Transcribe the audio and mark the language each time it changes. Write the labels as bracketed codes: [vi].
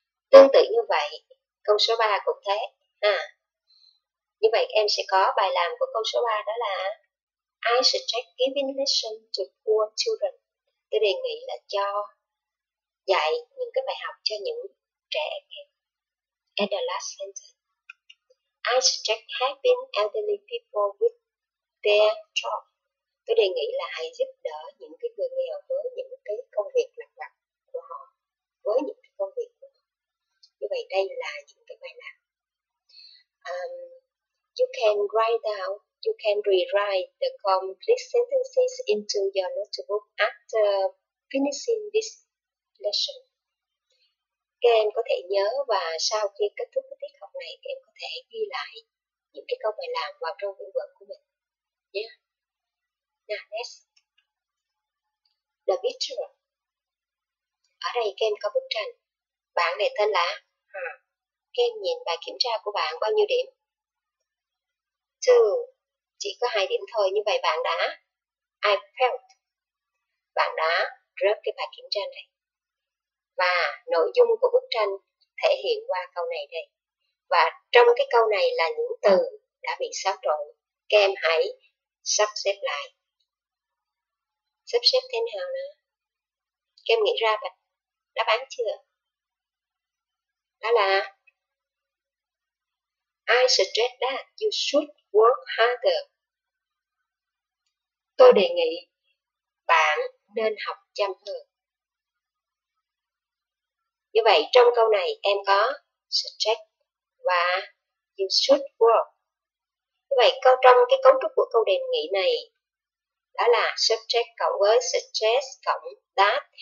[vi] Tương tự như vậy, câu số 3 cũng thế. À, như vậy em sẽ có bài làm của câu số 3 đó là [en] I suggest giving lessons to poor children. [vi] Tôi đề nghị là cho dạy những cái bài học cho những trẻ nghèo. [en] And the last sentence. I suggest helping elderly people with their job. [vi] Tôi đề nghị là hãy giúp đỡ những cái người nghèo với những cái công việc nặng nhọc của họ. Với những cái công việc của họ. Như vậy đây là những cái bài làm. [en] You can write down, you can rewrite the complete sentences into your notebook after finishing this lesson. [vi] Các em có thể nhớ và sau khi kết thúc cái tiết học này, các em có thể ghi lại những cái câu bài làm vào trong quyển vở của mình. [en] Nhé. Now next. The picture. [vi] Ở đây các em có bức tranh. Bạn đề tên là? Các em nhìn bài kiểm tra của bạn bao nhiêu điểm? 2. Chỉ có 2 điểm thôi, như vậy bạn đã [en] I felt. [vi] Bạn đã rớt cái bài kiểm tra này. Và nội dung của bức tranh thể hiện qua câu này đây. Và trong cái câu này là những từ đã bị xáo trộn. Các em hãy sắp xếp lại. Sắp xếp thế nào nữa? Các em nghĩ ra đáp án chưa? Đó là [en] I suggest that you should work harder. [vi] Tôi đề nghị bạn nên học chăm hơn. Như vậy trong câu này em có suggest và [en] you should work. [vi] Như vậy câu trong cái cấu trúc của câu đề nghị này đó là subject cộng với suggest cộng that.